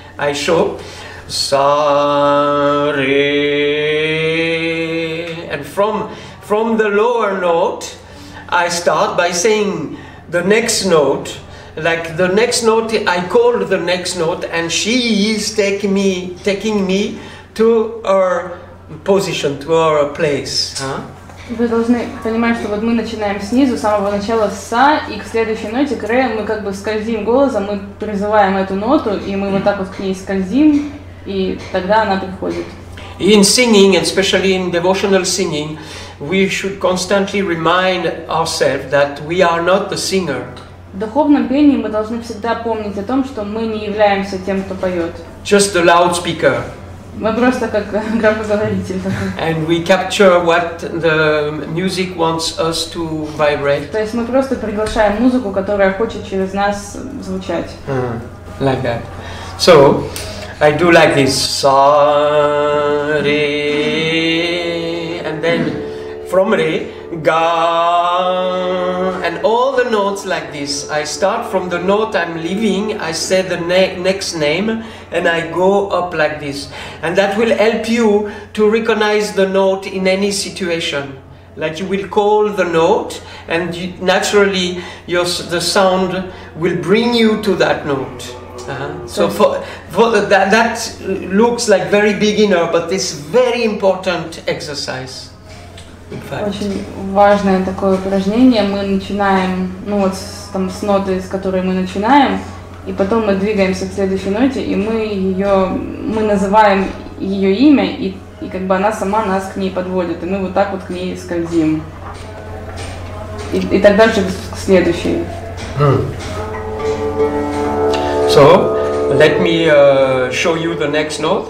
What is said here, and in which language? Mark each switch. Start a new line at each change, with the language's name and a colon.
English: I show sa re, and from the lower note I start by saying the next note. Like the next note, I call the next note, and she is taking me to her position, to her place.
Russian: Вы должны понимать, что вот мы начинаем снизу, с самого начала с са, и к следующей ноте, к ре, мы как бы скользим голосом, мы призываем эту ноту, и мы вот так вот к ней скользим, и тогда она приходит.
English: In singing, especially in devotional singing, we should constantly remind ourselves that we are not the singer.
Russian: В духовном пении мы должны всегда помнить о том, что мы не являемся тем, кто поет.
English: Just the loudspeaker.
Russian: Мы просто как громкоговоритель.
English: And we capture what the music wants us to vibrate.
Russian: То есть мы просто приглашаем музыку, которая хочет через нас звучать.
English: Like that. So, I do like this. Sorry. And then, from re, ga. And all the notes like this. I start from the note I'm leaving, I say the next name, and I go up like this. And that will help you to recognize the note in any situation. Like you will call the note, and you, naturally the sound will bring you to that note. So that looks like very beginner, but it's very important exercise.
Russian: Очень важное такое упражнение. Мы начинаем, ну вот там с ноты, с которой мы начинаем, и потом мы двигаемся к следующей ноте, и мы называем ее имя, и как бы она сама нас к ней подводит, и мы вот так вот к ней скользим. И так дальше к следующей.
English: So, let me show you the next note.